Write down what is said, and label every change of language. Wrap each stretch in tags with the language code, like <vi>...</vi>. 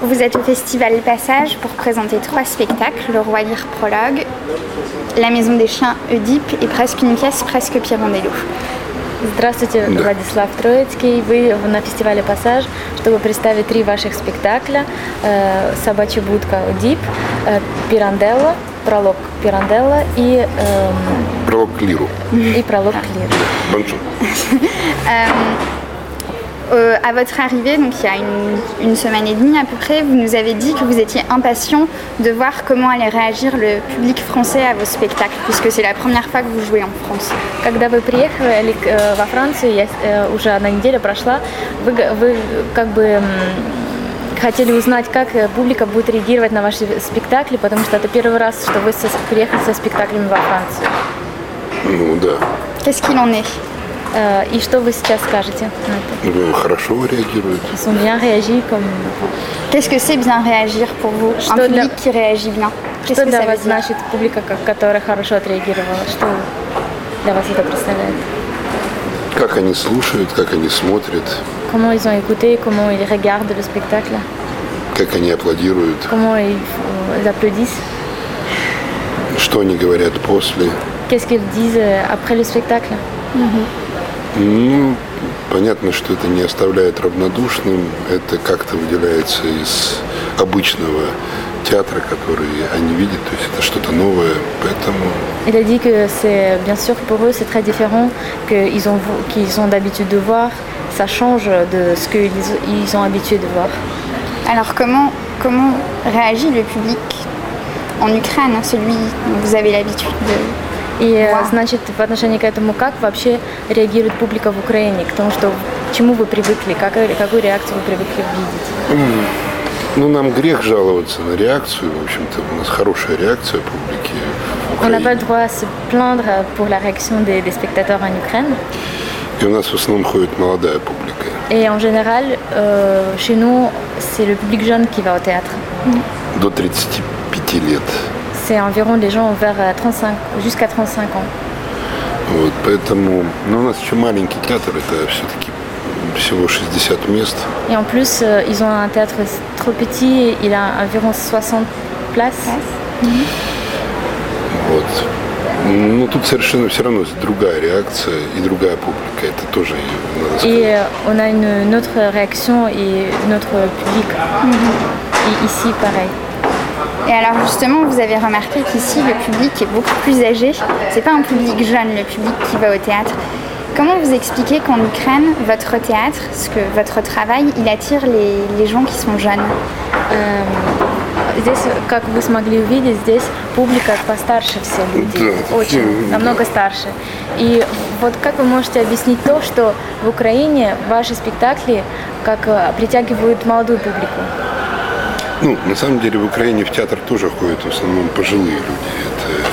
<fr>Vous êtes au Festival Passage pour présenter trois spectacles, Le Roi Lear Prologue, La Maison des Chiens, Oedipe et Presque une pièce, Presque Pirandello.</fr> <ru>Здравствуйте, Владислав Троицкий. Вы на фестивале «Пассаж», чтобы представить три ваших спектакля. «Собачья будка», «Одип», «Пирандело», «Пролог Пирандело» и... «Пролог к Лиру». И «Пролог к Лиру».</ru> <fr>Bonjour. À votre arrivée, donc il y a une semaine et demie à peu près, vous nous avez dit que vous étiez impatient de voir comment allait réagir le public français à vos spectacles, puisque c'est la première fois que vous jouez en France.</fr> <ru>Когда вы приехали во Францию, уже одна неделя прошла, вы как бы хотели узнать, как публика будет реагировать на ваши спектакли, потому что это первый раз, что вы приехали со спектаклями во Францию. Ну да.</ru> <fr>Qu'est-ce qu'il en est?</fr> <ru>И что вы сейчас скажете на это? Хорошо реагируют.</ru> <fr>Ils ont bien réagi comme... Qu'est-ce que c'est bien réagir pour vous?</fr> <ru>Что</ru> <fr>un public qui réagit bien.</fr> <ru>Что для вас значит публика, которая хорошо отреагировала? Что для вас это представляет? Как они слушают, как они смотрят.</ru> <fr>Comment ils ont écouté, comment ils regardent le spectacle.</fr> <ru>Как они аплодируют.</ru> <fr>Comment ils applaudissent.</fr> <ru>Что они говорят после.</ru> <fr>Qu'est-ce qu'ils disent après le spectacle.</fr> <ru>Ну, понятно, что это не оставляет равнодушным, это как-то выделяется из обычного театра, который они видят, то есть это что-то новое, поэтому...</ru> <fr>Il a dit que c'est, bien sûr, pour eux c'est très différent, qu'ils ont d'habitude de voir, ça change de ce qu'ils ont habitué de voir. Alors comment réagit le public en Ukraine, celui dont vous avez l'habitude de...</fr> <ru>И, значит, в отношении к этому, как вообще реагирует публика в Украине, к тому, что, к чему вы привыкли, какую реакцию вы привыкли видеть? Ну, нам грех жаловаться на реакцию, в общем-то, у нас хорошая реакция публики в Украине.</ru> <fr>On a pas le droit à se plaindre pour la réaction des spectateurs en Ukraine.</fr> <ru>И у нас в основном ходит молодая публика.</ru> <fr>Et en général, chez nous, c'est le public jeune qui va au théâtre.</fr> <ru>До 35 лет.</ru> <fr>C'est environ des gens vers 35, jusqu'à 35 ans.</fr> <ru>Вот, поэтому, ну, у нас еще маленький театр, это все-таки всего 60 мест.</ru> <fr>Et en plus, ils ont un théâtre trop petit, il a environ 60 places. Mm-hmm. Вот.</fr> <ru>Ну, тут совершенно все равно другая реакция и другая публика, это тоже надо сказать.</ru> <fr>Et on a une autre réaction et notre public. Mm-hmm. Et ici, pareil. Et alors justement, vous avez remarqué qu'ici, le public est beaucoup plus âgé. C'est pas un public jeune, le public qui va au théâtre. Comment vous expliquez qu'en Ukraine, votre théâtre, ce que votre travail, il attire les gens qui sont jeunes?</fr> <ru>Здесь, как вы смогли увидеть, здесь публика постарше все люди, очень, намного старше. И вот как вы можете объяснить то, что в Украине ваши спектакли как притягивают молодую публику? Ну, на самом деле, в Украине в театр тоже ходят в основном пожилые люди.</ru>